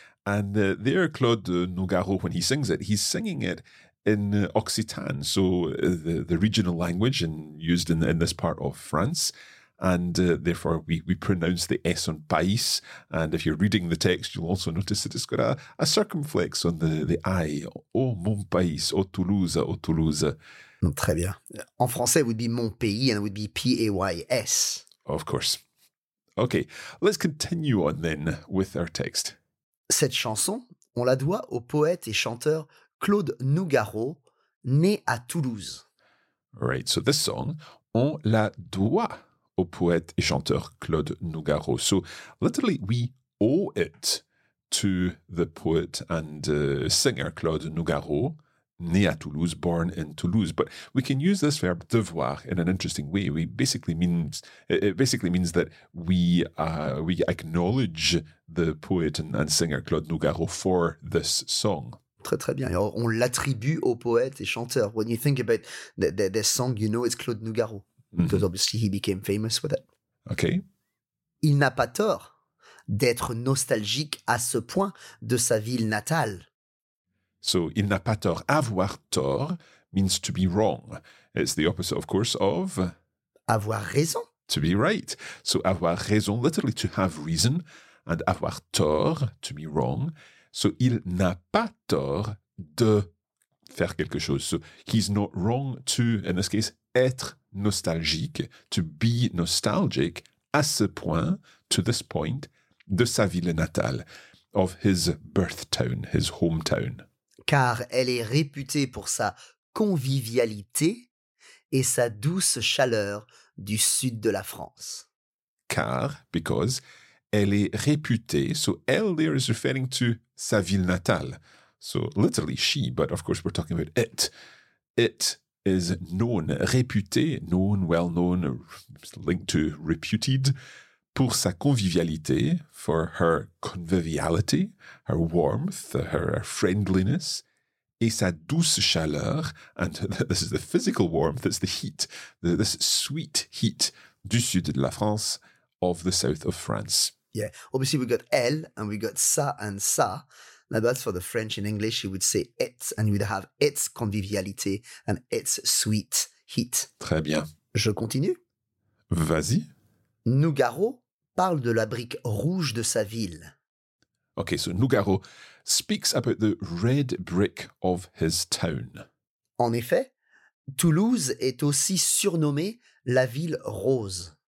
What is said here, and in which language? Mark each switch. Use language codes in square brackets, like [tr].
[en] And there, Claude Nougaro, when he sings it, he's singing it in Occitan, so the regional language and used in this part of France, and therefore we pronounce the S on pays, and if you're reading the text, you'll also notice that it's got a circumflex on the I. [fr] Oh, mon pays, oh Toulouse, oh Toulouse. Très bien. En français, [en] it would be [fr] mon pays, [en] and it would be P-A-Y-S. Of course. Okay, let's continue on then with our text. [fr] Cette chanson, on la doit au poète et chanteur Claude Nougaro, né à Toulouse. [en] Right, so this song, [fr] on la doit au poète et chanteur Claude Nougaro. [en] So literally, we owe it to the poet and singer Claude Nougaro, [fr] né à Toulouse, [en] born in Toulouse. But we can use this verb devoir in an interesting way. It basically means that we acknowledge the poet and singer Claude Nougaro for this song. [fr] Très, très bien. Alors, on l'attribue au poète et chanteur. [en] When you think about the song, you know it's Claude Nougaro. Mm-hmm. Because obviously he became famous with it. Okay. [fr] Il n'a pas tort d'être nostalgique à ce point de sa ville natale. So, il n'a pas tort. Avoir tort [en] means to be wrong. It's the opposite, of course, of... [fr] Avoir raison. [en] to be right. So [fr] avoir raison, [en] literally to have reason, and [fr] avoir tort, [en] to be wrong. [fr] So il n'a pas tort de faire quelque chose. [en] So he's not wrong to, in this case, [fr] être nostalgique, [en] to be nostalgic [fr] à ce point, [en] to this point, [fr] de sa ville natale, [en] of his birth town, his hometown. [fr] Car elle est réputée pour sa convivialité et sa douce chaleur du sud de la France. Car, [en] because, [fr] elle est réputée, so elle [en] there is referring to [fr] sa ville natale. [en] So literally she, but of course we're talking about it. It is known, réputé, known, well known, linked to reputed, [fr] pour sa convivialité, [en] for her conviviality, her warmth, her friendliness, [fr] et sa douce chaleur, [en] and this is the physical warmth, it's the heat, this sweet heat, [fr] du sud de la France, [en] of the south of France. Yeah, obviously we got elle, and we got ça and ça. Now that's for the French. In English, you would say it, and you would have its convivialité and its sweet heat. [fr] Très bien. Je continue. Vas-y. Nougaro parle de la brique rouge de sa ville. [en] Okay, so Nougaro speaks about the red brick of his town. [fr] En effet, Toulouse est aussi surnommée la ville rose.